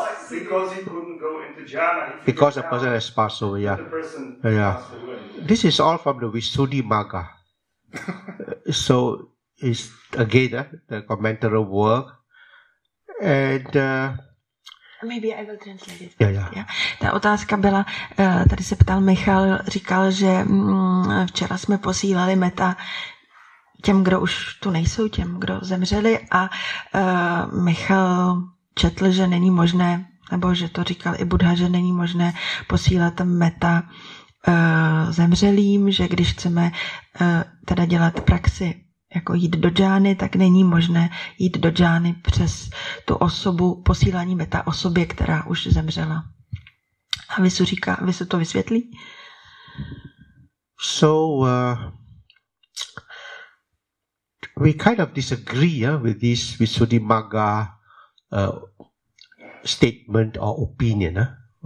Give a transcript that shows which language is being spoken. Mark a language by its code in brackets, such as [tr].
[en] Because he couldn't go into jhana. Because the person has passed away, yeah. The person passed away. This is all from the Visuddhimagga. So... is again the commentary work, and maybe I will translate it. [cs] Ta otázka byla, tady se ptal Michal, říkal, že včera jsme posílali meta těm, kdo už tu nejsou, těm, kdo zemřeli, a Michal četl, že není možné, nebo že to říkal i Buddha, že není možné posílat meta zemřelým, že když chceme teda dělat praxi, jako jít do džány, tak není možné jít do džány přes tu osobu, posílání meta osobě, která už zemřela. A Visu říká, Visu to vysvětlí? [en] So, we kind of disagree with this Visuddhimagga statement or opinion.